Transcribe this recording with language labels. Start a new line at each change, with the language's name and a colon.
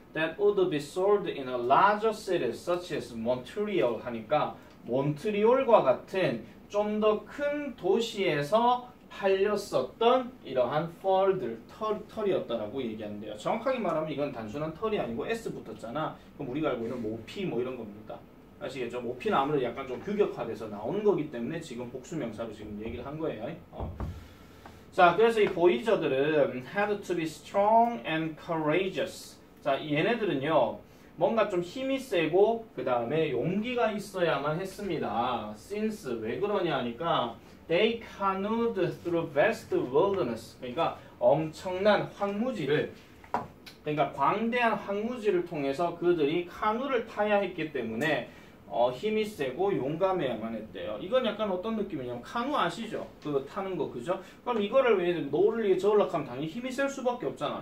English: That would be sold in a larger city such as Montreal
Korean: 하니까 몬트리올과 같은 좀 더 큰 도시에서 팔렸었던 이러한 furs들, 털이었다라고 얘기하는데요. 정확하게 말하면 이건 단순한 털이 아니고 S 붙었잖아. 그럼 우리가 알고 있는 모피 뭐 이런 겁니다. 아시겠죠? 모피는 아무래도 약간 좀 규격화돼서 나오는 거기 때문에 지금 복수명사로 지금 얘기를 한 거예요. 자, 그래서 이 보이저들은
English: had to be strong and courageous.
Korean: 자, 얘네들은요 뭔가 좀 힘이 세고 그 다음에 용기가 있어야만 했습니다.
English: Since
Korean: 왜 그러냐 하니까
English: they canoed through vast wilderness.
Korean: 그러니까 엄청난 황무지를 그러니까 광대한 황무지를 통해서 그들이 카누를 타야 했기 때문에 힘이 세고 용감해야만 했대요. 이건 약간 어떤 느낌이냐면 카누 아시죠? 그거 타는 거 그죠? 그럼 이거를 왜 노를 위해 저으려면 당연히 힘이 셀 수밖에 없잖아.